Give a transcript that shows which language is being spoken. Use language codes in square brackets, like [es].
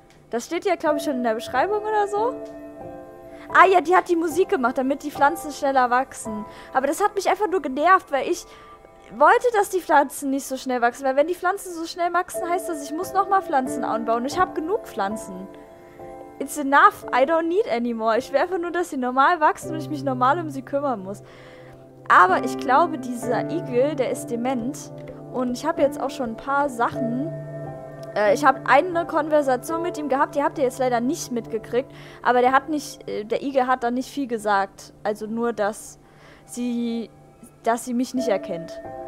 [de] Das steht ja, glaube ich, schon in der Beschreibung oder so. Ah ja, die hat die Musik gemacht, damit die Pflanzen schneller wachsen. Aber das hat mich einfach nur genervt, weil ich wollte, dass die Pflanzen nicht so schnell wachsen. Weil wenn die Pflanzen so schnell wachsen, heißt das, ich muss nochmal Pflanzen anbauen. Ich habe genug Pflanzen. [en] It's enough. I don't need anymore. [de] Ich will einfach nur, dass sie normal wachsen und ich mich normal um sie kümmern muss. Aber ich glaube, dieser Igel, der ist dement. Und ich habe jetzt auch schon ein paar Sachen. Ich habe eine Konversation mit ihm gehabt. Die habt ihr jetzt leider nicht mitgekriegt. Aber der Igel hat da nicht viel gesagt. Also nur, dass sie mich nicht erkennt.